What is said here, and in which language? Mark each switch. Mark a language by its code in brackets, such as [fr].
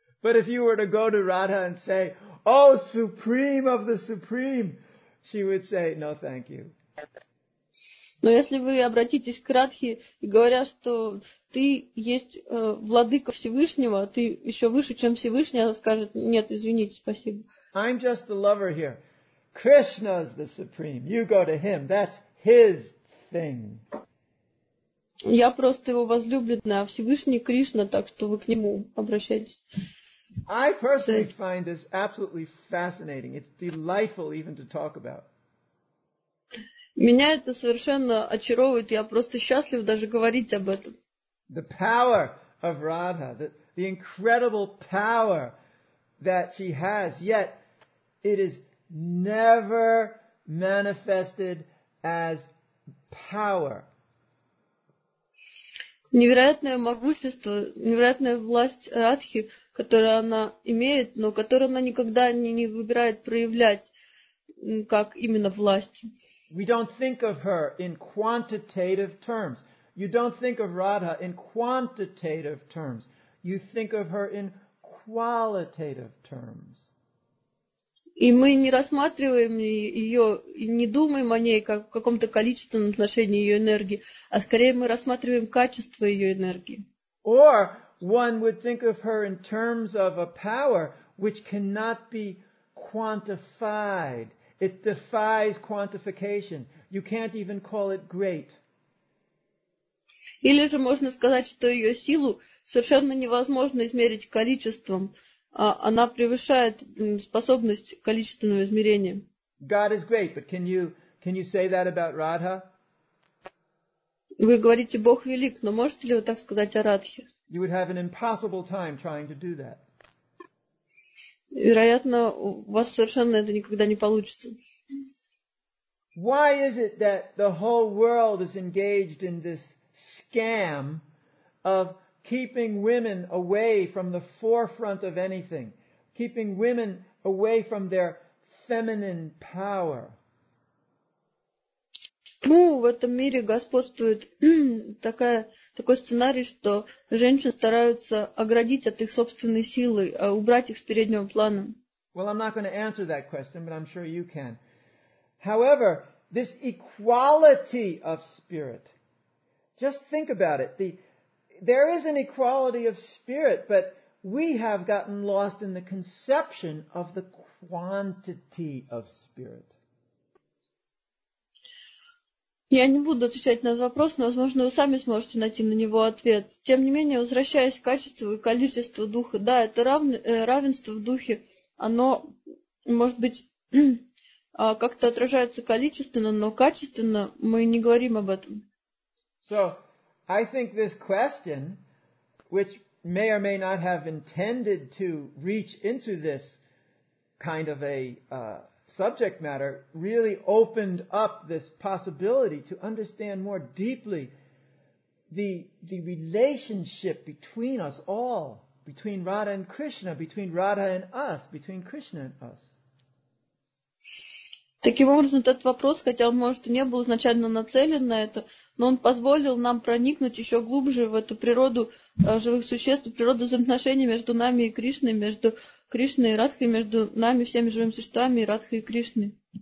[en] But if you were to go to Radha and say, oh, supreme of the supreme, she would say, no, thank you. [ru] Но если вы обратитесь к Радхе и говоря, что ты есть владыка Всевышнего, ты еще выше, чем Всевышний, она скажет, нет, извините, спасибо. [en] I'm just the lover here. Krishna is the supreme. You go to him. That's his thing. [ru] Я просто его возлюбленная, а Всевышний Кришна, так что вы к нему обращайтесь. [en] I personally find this absolutely fascinating. It's delightful even to talk about. [ru] Меня это совершенно очаровывает. Я просто счастлив даже говорить об этом. [en] The power of Radha, the incredible power that she has, yet it is never manifested as power. [ru] Невероятное могущество, невероятная власть Радхи, которую она имеет, но которую она никогда не выбирает проявлять как именно власть. [en] We don't think of her in quantitative terms. You don't think of Radha in quantitative terms. You think of her in qualitative terms. [ru] И мы не рассматриваем ее, не думаем о ней как в каком-то количественном отношении ее энергии, а скорее мы рассматриваем качество ее энергии. [en] Or one would think of her in terms of a power which cannot be quantified. It defies quantification. You can't even call it great. [ru] Или же можно сказать, что ее силу совершенно невозможно измерить количеством. Она превышает способность количественного измерения. [en] God is great, but can you say that about Radha? [ru] Вы говорите, Бог велик, но можете ли вы так сказать о Радхе? [en] You would have an impossible time trying to do that. [ru] Вероятно, у вас совершенно это никогда не получится. [en] Why is it that the whole world is engaged in this scam of keeping women away from the forefront of anything, keeping women away from their feminine power? [ru] Почему в этом мире господствует такой сценарий, что женщины стараются оградить от их собственной силы, убрать их с переднего плана? [en] Well, I'm not going to answer that question, but I'm sure you can. However, this equality of spirit, just think about it. There is an equality of spirit, but we have gotten lost in the conception of the quantity of spirit. [ru] Я не буду отвечать на этот вопрос, но, возможно, вы сами сможете найти на него ответ. Тем не менее, возвращаясь к качеству и количеству духа, да, это равенство в духе, оно, может быть, как-то отражается количественно, но качественно мы не говорим об этом. [en] So, I think this question, which may or may not have intended to reach into this kind of a subject matter, really opened up this possibility to understand more deeply the relationship between us all, between Radha and Krishna, between Radha and us, between Krishna and us. [ru] Таким образом, этот вопрос, хотя он, может, и не был изначально нацелен на это, но он позволил нам проникнуть еще глубже в эту природу живых существ, природу взаимоотношений между нами и Кришной, между Кришной и Радхой, между нами, всеми живыми существами, и Радхой и Кришной.